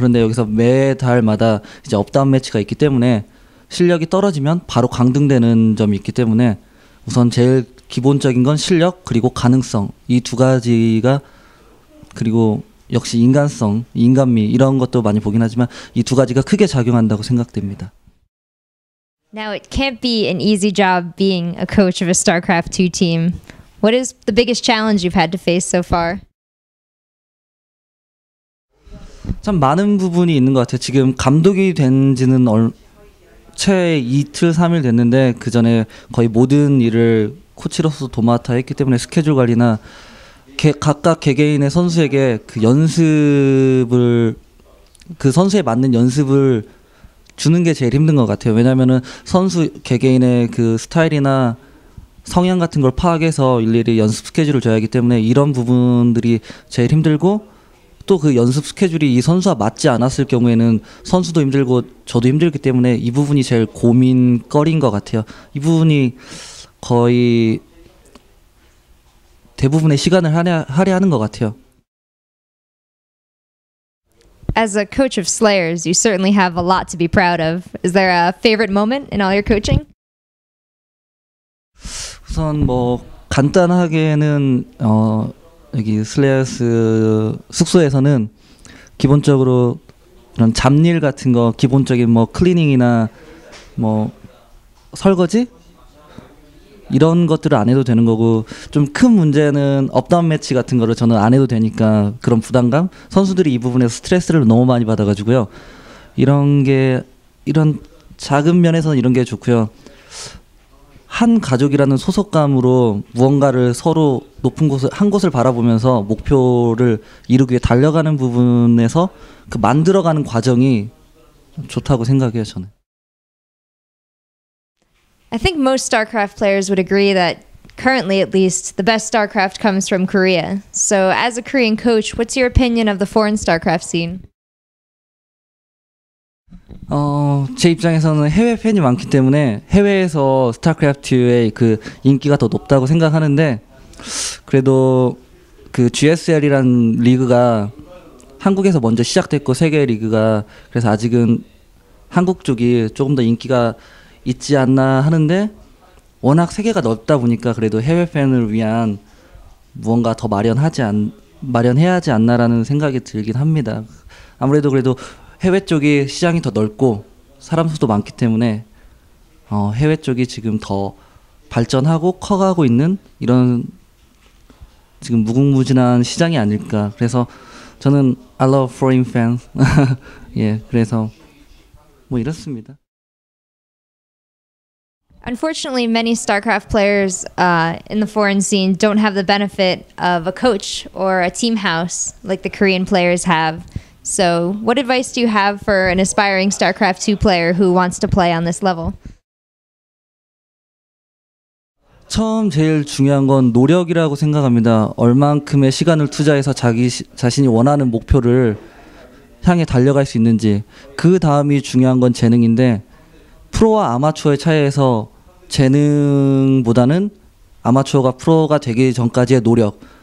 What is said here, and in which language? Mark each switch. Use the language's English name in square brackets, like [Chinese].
[Korean] 그런데 여기서 매달마다 이제 업다운 매치가 있기 때문에 실력이 떨어지면 바로 강등되는 점이 있기 때문에 우선 제일 기본적인 건 실력 그리고 가능성 이 두 가지가 그리고 역시 인간성, 인간미 이런 것도 많이 보긴 하지만 이 두 가지가 크게 작용한다고 생각됩니다. [English] Now it can't be an easy job being a coach of a StarCraft II team. What is the biggest challenge you've had to face so far? [Korean] 참 많은 부분이 있는 것 같아요. 지금 감독이 된 지는 채 이틀, 삼일 됐는데 그 전에 거의 모든 일을 코치로서 도맡아 했기 때문에 스케줄 관리나 각각 개개인의 선수에게 그 연습을 그 선수에 맞는 연습을 주는 게 제일 힘든 것 같아요. 왜냐하면은 선수 개개인의 그 스타일이나 성향 같은 걸 파악해서 일일이 연습 스케줄을 줘야 하기 때문에 이런 부분들이 제일 힘들고 또 그 연습 스케줄이 이 선수와 맞지 않았을 경우에는 선수도 힘들고 저도 힘들기 때문에 이 부분이 제일 고민거리인 것 같아요. 이 부분이 거의 대부분의 시간을 할애하는 것 같아요. [English] As a coach of Slayers, you certainly have a lot to be proud of. Is there a favorite moment in all your coaching? [Korean] 우선 뭐 간단하게는 여기 슬레이어스 숙소에서는 기본적으로 이런 잡일 같은 거 기본적인 뭐 클리닝이나 뭐 설거지 이런 것들을 안 해도 되는 거고 좀 큰 문제는 업다운 매치 같은 거를 저는 안 해도 되니까 그런 부담감 선수들이 이 부분에서 스트레스를 너무 많이 받아가지고요 이런 게 이런 작은 면에서는 이런 게 좋고요 한 가족이라는 소속감으로 무언가를 서로 높은 곳을 한 곳을 바라보면서 목표를 이루기 위해 달려가는 부분에서 그 만들어가는 과정이 좋다고 생각해요 저는 [English] I think most StarCraft players would agree that currently, at least, the best StarCraft comes from Korea. So as a Korean coach, what's your opinion of the foreign StarCraft scene? [Korean] 제 입장에서는 해외 팬이 많기 때문에 해외에서 스타크래프트의 그 인기가 더 높다고 생각하는데 그래도 그 GSL이란 리그가 한국에서 먼저 시작됐고 세계 리그가 그래서 아직은 한국 쪽이 조금 더 인기가 있지 않나 하는데 워낙 세계가 넓다 보니까 그래도 해외 팬을 위한 무언가 더 마련해야 하지 않나라는 생각이 들긴 합니다. 아무래도 그래도 해외 쪽이 시장이 더 넓고 사람 수도 많기 때문에 해외 쪽이 지금 더 발전하고 커가고 있는 이런 지금 무궁무진한 시장이 아닐까. 그래서 저는 [English] I love foreign fans. [Korean] 예, 그래서 뭐 이렇습니다. [English] Unfortunately, many StarCraft players in the foreign scene don't have the benefit of a coach or a team house like the Korean players have. So, what advice do you have for an aspiring StarCraft II player who wants to play on this level? [Korean] 처음 제일 중요한 건 노력이라고 생각합니다. 얼만큼의 시간을 투자해서 자신이 원하는 목표를 향해 달려갈 수 있는지. 그 다음이 중요한 건 재능인데 프로와 아마추어의 차이에서 재능보다는 아마추어가 프로가 되기 전까지의 노력.